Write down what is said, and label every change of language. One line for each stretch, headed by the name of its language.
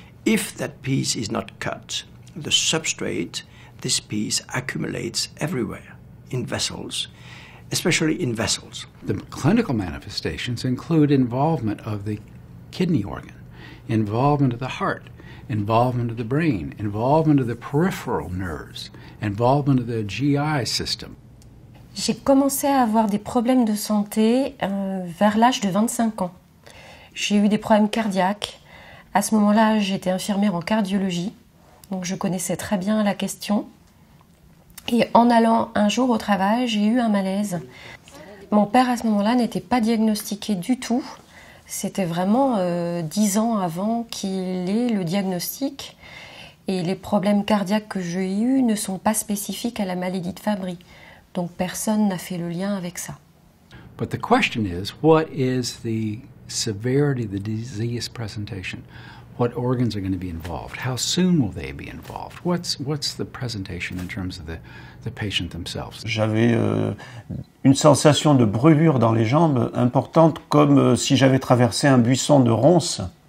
English: If that piece is not cut, the substrate, this piece accumulates everywhere, in vessels, especially in vessels. The clinical manifestations include involvement of the kidney organ, involvement of the heart, involvement of the brain, involvement of the peripheral nerves, involvement of the GI system.
French: J'ai commencé à avoir des problèmes de santé vers l'âge de 25 ans. J'ai eu des problèmes cardiaques. À ce moment-là, j'étais infirmière en cardiologie. Donc je connaissais très bien la question. Et en allant un jour au travail, j'ai eu un malaise. Mon père, à ce moment-là, n'était pas diagnostiqué du tout. C'était vraiment 10 ans avant qu'il ait le diagnostic. Et les problèmes cardiaques que j'ai eus ne sont pas spécifiques à la maladie de Fabry. Donc personne n'a fait le lien avec ça.
English: But the question is, what is the severity of the disease presentation? What organs are going to be involved? How soon will they be involved? What's the presentation in terms of the patient themselves?
French: J'avais une sensation de brûlure dans les jambes importante, comme si j'avais traversé un buisson de ronces.